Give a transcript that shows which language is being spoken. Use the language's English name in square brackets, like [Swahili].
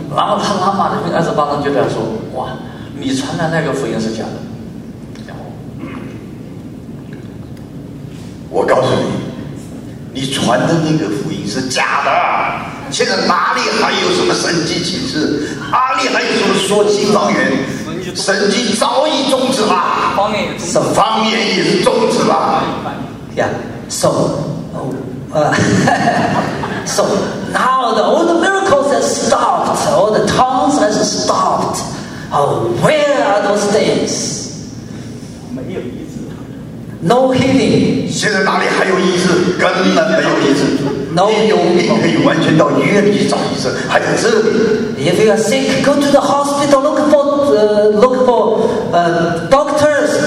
[Chinese] 然后他拿马太福音28章就对他说：“哇，你传的那个福音是假的。” 我告诉你，你传的那个福音是假的，现在哪里还有什么神迹奇事，哪里还有什么说新方言，神迹早已终止了，方言也终止，方言也是终止了。 [English] Yeah, so, so now the old miracles have stopped, all the tongues has stopped. Where are those things? [Chinese] 没有医治。 [English] No healing. [Chinese] 现在哪里还有医治？根本没有医治。 [English] No, [Chinese] 你有病可以完全到医院去找医生，还有治。 [English] If you are sick, go to the hospital, look for doctors.